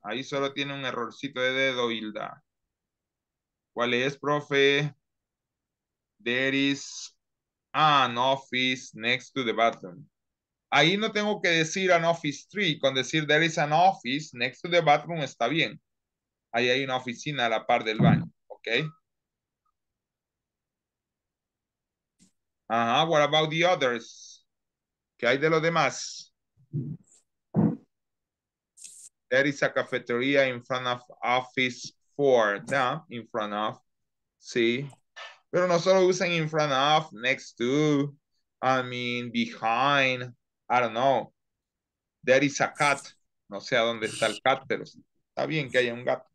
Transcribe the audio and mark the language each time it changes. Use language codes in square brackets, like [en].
[es] Ahí solo tiene un errorcito de dedo, Hilda. ¿Cuál es, profe? [en] There is an office next to the bathroom. [es] Ahí no tengo que decir an office 3. Con decir [en] there is an office next to the bathroom [es] está bien. Ahí hay una oficina a la par del baño. [en] ¿Ok? [es] Ajá, [en] what about the others? [es] ¿Qué hay de los demás? [en] There is a cafeteria in front of office 4. Yeah, in front of. Sí. [es] Pero no solo usan [en] in front of, next to, I mean, behind, I don't know. there is a cat. [es] No sé a dónde está el cat, pero está bien que haya un gato.